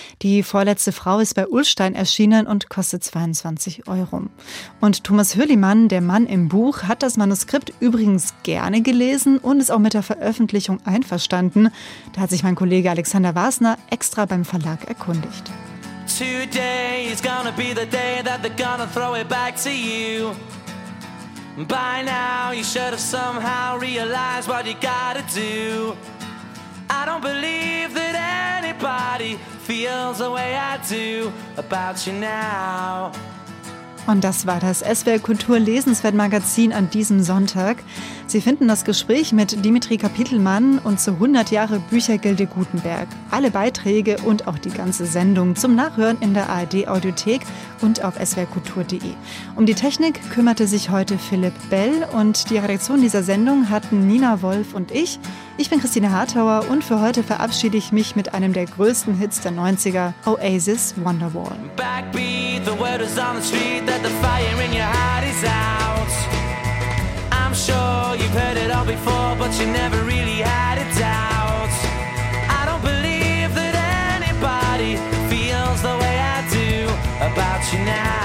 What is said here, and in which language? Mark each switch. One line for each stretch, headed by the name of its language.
German: Die vorletzte Frau ist bei Ullstein erschienen und kostet 22 Euro. Und Thomas Hürlimann, der Mann im Buch, hat das Manuskript übrigens gerne gelesen und ist auch mit der Veröffentlichung einverstanden. Da hat sich mein Kollege Alexander Wasner extra beim Verlag erkundigt.
English: Today is gonna be the day that they're gonna throw it back to you. By now you should have somehow realized what you gotta do. I don't believe that anybody feels the way I do about you now.
German: Und das war das SWR Kultur Lesenswertmagazin an diesem Sonntag. Sie finden das Gespräch mit Dimitri Kapitelmann und zu 100 Jahre Büchergilde Gutenberg. Alle Beiträge und auch die ganze Sendung zum Nachhören in der ARD Audiothek und auf swrkultur.de. Um die Technik kümmerte sich heute Philipp Bell und die Redaktion dieser Sendung hatten Nina Wolf und ich. Ich bin Christine Hartauer und für heute verabschiede ich mich mit einem der größten Hits der 90er, Oasis Wonderwall.
English: Backbeat, the word is on the street that the fire in your heart is out. I'm sure you've heard it all before, but you never really had a doubt. I don't believe that anybody feels the way I do about you now.